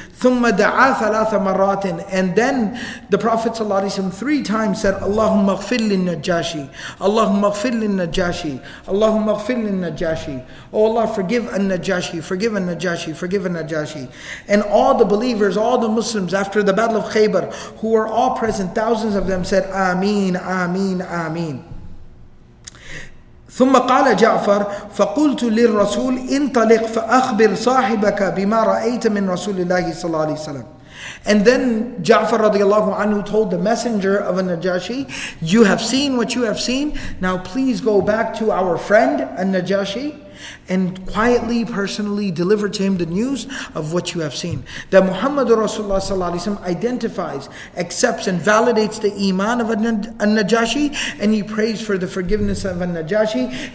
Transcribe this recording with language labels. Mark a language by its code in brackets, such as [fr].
[ar] ثُمَّ دَعَى ثَلَاثَ مَرَّاتٍ, [en] and then the Prophet ﷺ three times said, [ar] اللَّهُمَّ اغْفِرْ لِلنَّجَّاشِي, اللَّهُمَّ اغْفِرْ لِلنَّجَّاشِي, اللَّهُمَّ اغْفِرْ لِلنَّجَّاشِي, [en] oh Allah, forgive al-Najashi, forgive al-Najashi, forgive al-Najashi. And all the believers, all the Muslims after the Battle of Khaybar, who were all present, thousands of them said, Ameen, Ameen, Ameen. [ar] ثم قال جعفر فقلت للرسول انطلق فأخبر صاحبك بما رأيت من رسول الله صلى الله عليه وسلم. [en] And then Ja'far radiallahu anhu told the messenger of al-Najashi, you have seen what you have seen, now please go back to our friend al-Najashi and quietly, personally deliver to him the news of what you have seen. That Muhammad Rasulullah sallallahu alaihi wasallam identifies, accepts and validates the iman of al-Najashi, and he prays for the forgiveness of al-Najashi.